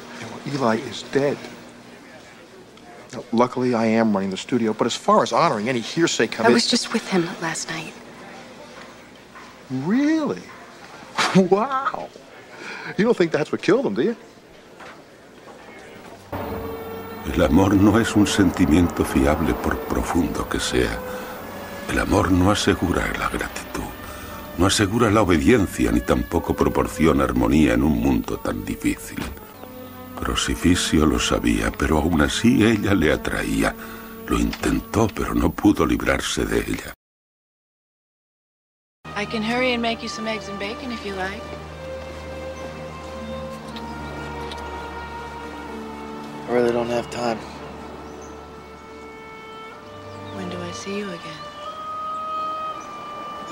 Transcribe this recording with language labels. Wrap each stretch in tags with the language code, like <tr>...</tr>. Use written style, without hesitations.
<en>Yeah, well, Eli is dead. Now, luckily, I am running the studio, but as far as honoring any hearsay comes... I was just with him last night. Really? Wow. You don't think that's what killed him, do you?</en> <es>El amor no es un sentimiento fiable por profundo que sea. El amor no asegura la gratitud, no asegura la obediencia ni tampoco proporciona armonía en un mundo tan difícil. Crocifisio lo sabía, pero aún así ella le atraía. Lo intentó, pero no pudo librarse de ella.</es> <en>I can hurry and make you some eggs and bacon if you like. I really don't have time. When do I see you again?</en>